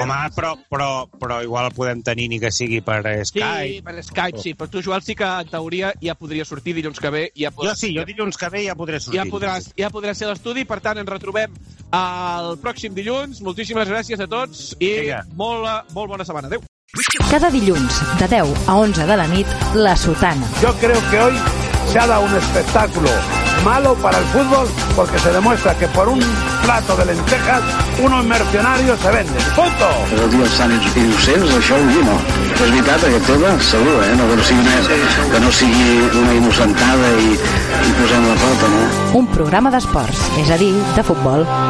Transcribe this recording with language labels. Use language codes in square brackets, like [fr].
[ca] Home, però igual podem tenir ni que sigui per Skype. Sí, per Skype, sí. Però tu, Joel, sí que en teoria ja podria sortir dilluns que ve. Ja podràs, jo dilluns que ve ja podré sortir. Ja podràs ser a l'estudi, per tant, ens retrobem el pròxim dilluns. Moltíssimes gràcies a tots i molt bona setmana. Adéu. Cada dilluns, de 10 a 11 de la nit, La Sotana. [es] Yo creo que hoy se ha dado un espectáculo malo para el fútbol, porque se demuestra que por un plato de lentejas uno es mercenario, se vende. ¡Punto! [ca] Però tu estan innocents, això ho diu, no? És veritat, aquest tema? Segur, eh? No, que, no sigui una, que no sigui una innocentada i posem la pota, no? Un programa d'esports, és a dir, de futbol.